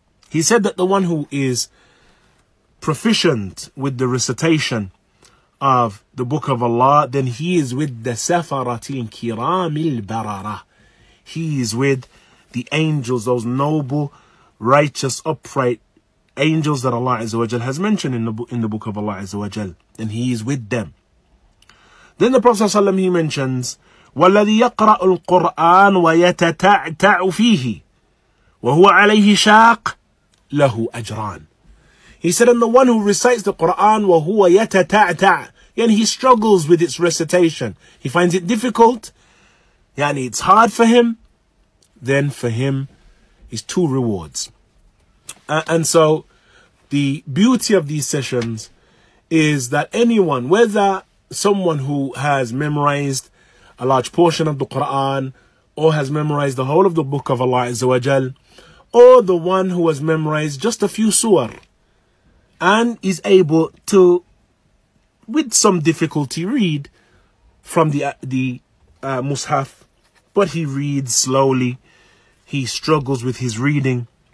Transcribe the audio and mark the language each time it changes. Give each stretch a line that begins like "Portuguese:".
English: He said that the one who is proficient with the recitation of the book of Allah, then he is with the safarati al-kiram al-barara. He is with the angels, those noble, righteous, upright angels that Allah Azza wa Jal has mentioned in the book of Allah Azza wa Jal. Then he is with them.
Arabic: Then the Prophet ﷺ, he mentions, وَالَّذِي يَقْرَأُ الْقُرْآنَ وَيَتَتَعْتَعُ فِيهِ وَهُوَ عَلَيْهِ شَاقٌ لَهُ أَجْرَانٌ.
English: He said, and the one who recites the Quran, وَهُوَ يَتَتَعْتَعُ, yani he struggles with its recitation, he finds it difficult, yani it's hard for him, then for him is two rewards. And so the beauty of these sessions is that anyone, whether someone who has memorized a large portion of the Quran or has memorized the whole of the book of Allah Azza wa Jal, or the one who has memorized just a few surah and is able to, with some difficulty, read from the Mus'haf, but he reads slowly, he struggles with his reading.